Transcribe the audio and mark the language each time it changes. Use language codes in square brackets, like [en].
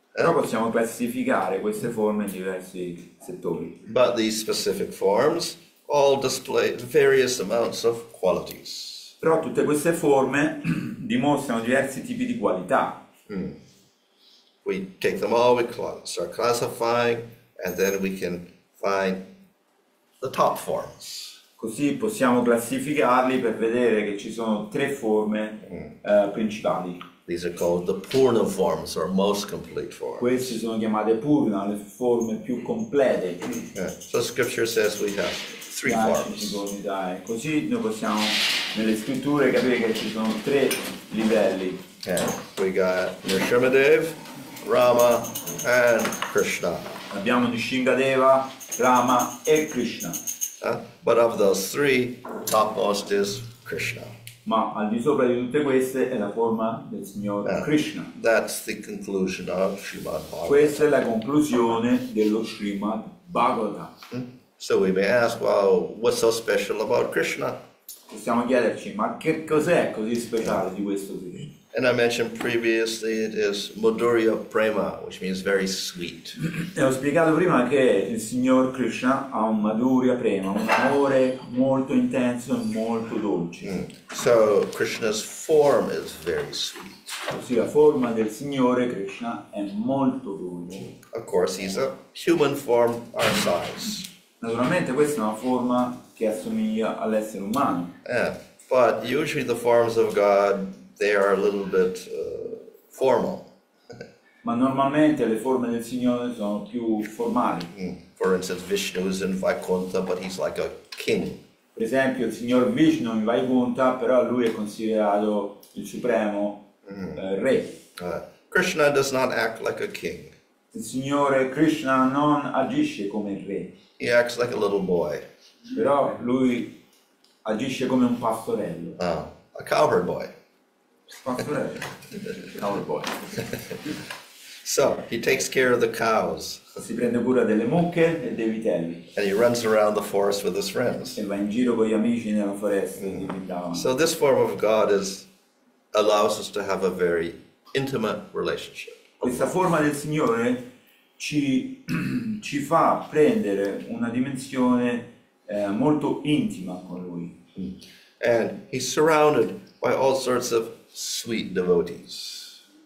[it] Però possiamo classificare queste forme in diversi settori. [en] But these specific forms all display various amounts of qualities. [it] Però tutte queste forme dimostrano diversi tipi di qualità. [en] We take them all, we start classifying, and then we can find the top forms. [it] Così possiamo classificarli per vedere che ci sono tre forme principali. [en] These are called the Purna forms, or most complete forms. [it] Queste sono chiamate Purna, le forme più complete. [en] So scripture says we have three forms. [it] Così noi possiamo, nelle scritture, capire che ci sono tre livelli. [en] We got Nrsimhadev, Rama, and Krishna. [it] Abbiamo Nrsimhadeva, Rama e Krishna. [en] But of those three, topmost is Krishna. [it] Ma al di sopra di tutte queste è la forma del Signore Krishna. [en] That's the conclusion of Srimad Bhagavatam. [it] Questa è la conclusione dello Srimad Bhagavatam. [en] So we may ask, well, what's so special about Krishna? [it] Possiamo chiederci, ma che cos'è così speciale di questo Krishna? [en] And I mentioned previously it is Madhurya Prema, which means very sweet. [it] E ho spiegato prima che il Signor Krishna ha un Madhurya Prema, un amore molto intenso e molto dolce. [en] So Krishna's form is very sweet. [it] Così la forma del Signore Krishna è molto dolce. [en] Of course he's a human form our size. [it] Naturalmente questa è una forma che assomiglia all'essere umano. [en] But usually the forms of God, they are a little bit formal. [it] Ma normalmente le forme del Signore sono più formali. [en] For instance, Vishnu is in Vaikuntha, but he's like a king. [it] Per esempio, il Signor Vishnu in Vaikuntha, però lui è considerato il supremo re. [en] Krishna does not act like a king. [it] Il Signore Krishna non agisce come re. [en] He acts like a little boy. [it] Però lui agisce come un pastorello. [en] A cowherd boy. Cowboy. So he takes care of the cows. [it] Si prende cura delle mucche e dei vitelli. [en] And he runs around the forest with his friends. [it] E va in giro con gli amici nella foresta. [en] So this form of God is allows us to have a very intimate relationship. [it] Questa forma del Signore ci fa prendere una dimensione molto intima con lui. [en] And he's surrounded by all sorts of sweet devotees.